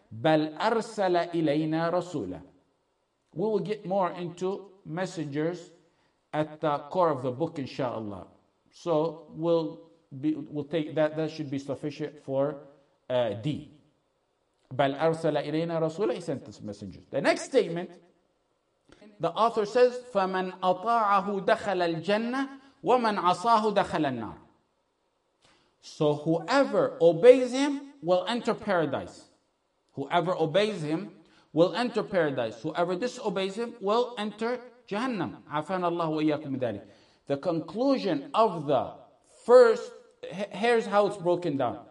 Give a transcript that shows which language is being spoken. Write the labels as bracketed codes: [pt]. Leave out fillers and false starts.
[ar] بَلْ أَرْسَلَ إِلَيْنَا رَسُولًا. [en] We will get more into messengers at the core of the book, inshallah. So we'll take that should be sufficient for D. [ar] بَلْ أَرْسَلَ إِلَيْنَا رَسُولًا. [en] He sent this messenger. The next statement, the author says, [ar] فَمَنْ أَطَاعَهُ دَخَلَ الْجَنَّةِ وَمَنْ عَصَاهُ دَخَلَ النَّارِ. [en] So whoever obeys him will enter paradise. Whoever obeys him will enter paradise. Whoever disobeys him will enter Jahannam. [ar] عَفَانَ اللَّهُ وَإِيَّاكُمْ مِدَالِهِ. [en] The conclusion of the first, here's how it's broken down.